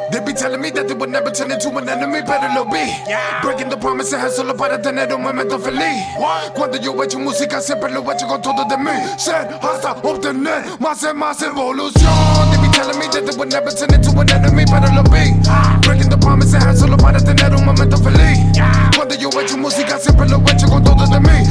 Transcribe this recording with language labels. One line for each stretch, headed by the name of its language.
English: They be telling me that they would never turn into an enemy, but it'll be. Breaking the promise, I had
Spanish: solo para tener un momento feliz. Cuando yo he hecho música, siempre lo he hecho con todo de mí. Ser hasta obtener más y más evolución.
English: They be telling me that they would never turn into an enemy, but it'll be. Breaking the promise, I had
Spanish: solo para tener un momento feliz. Cuando yo he hecho música, siempre lo he hecho con todo de mí.